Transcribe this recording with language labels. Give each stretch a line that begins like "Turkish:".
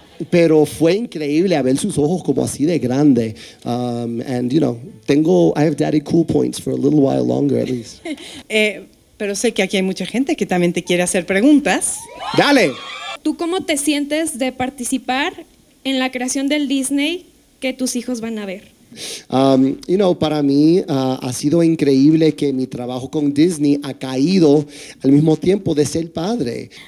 Spanish: Pero fue increíble a ver sus ojos como así de grande.
English: And, you know, I have daddy cool points for a little while longer, at least.
Spanish: Pero sé que aquí hay mucha gente que también te quiere hacer preguntas. ¡Dale! ¿Tú cómo te sientes de participar en la creación del Disney que tus hijos van a ver? Para mí ha sido increíble que mi trabajo con Disney ha caído al mismo tiempo de ser padre.